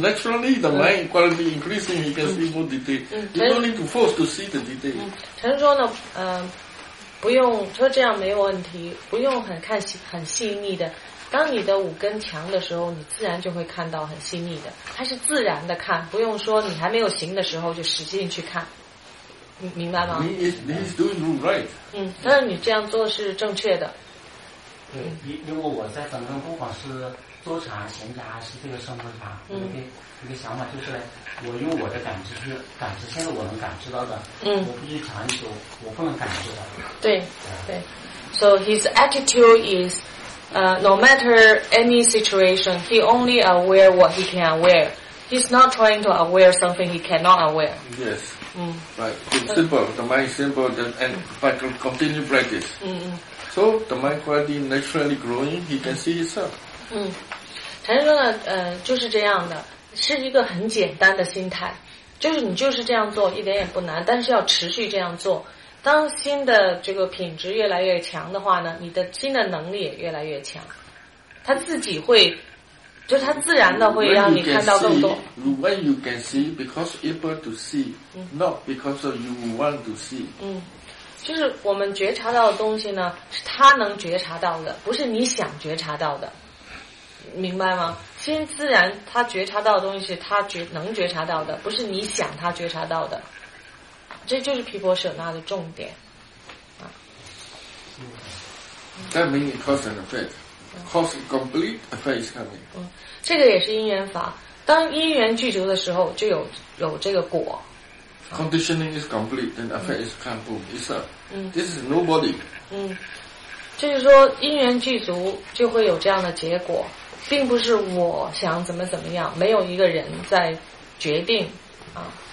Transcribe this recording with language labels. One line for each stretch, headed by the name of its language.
English: Naturally, the mind quality increasing, you can see more detail. You don't need to force to see the detail.
Chinese: 陈说呢，不用说这样没有问题，不用很看很细腻的。当你的五根强的时候，你自然就会看到很细腻的。它是自然的看，不用说你还没有行的时候就使劲去看。明白吗？
English: He's doing right.
Chinese: 嗯，但是你这样做是正确的。对，因为我在整个不管是坐禅、闲禅还是这个生活禅，嗯，一个想法就是，我用我的感知去感知，现在我能感知到的，嗯，我不去强求，我不能感知到的。对，对。
English: So his attitude is, no matter any situation, he only aware what he can aware. He's not trying to aware something he cannot aware. Yes. 嗯。 Right. It's simple. The mind is simple. Then and by continue practice. 嗯嗯。 So the mind quality naturally growing, he can see itself.
Chinese: 嗯，陈说呢，就是这样的，是一个很简单的心态，就是你就是这样做，一点也不难，但是要持续这样做。当心的这个品质越来越强的话呢，你的心的能力也越来越强，他自己会，就他自然的会让你看到更多。
English: When you can see, because able to see, not because you want to see. 嗯。
Chinese: 就是我们觉察到的东西呢，是他能觉察到的，不是你想觉察到的，明白吗？心自然他觉察到的东西是他能觉察到的，不是你想他觉察到的，这就是毗婆舍那的重点。
English: That means cause and effect, cause complete, effect is coming.
Chinese: 嗯，这个也是因缘法，当因缘具足的时候，就有这个果。
English: Conditioning is complete, then effect is come boom. It's a, this is nobody.
Chinese: 嗯，就是说因缘具足就会有这样的结果，并不是我想怎么怎么样，没有一个人在决定啊。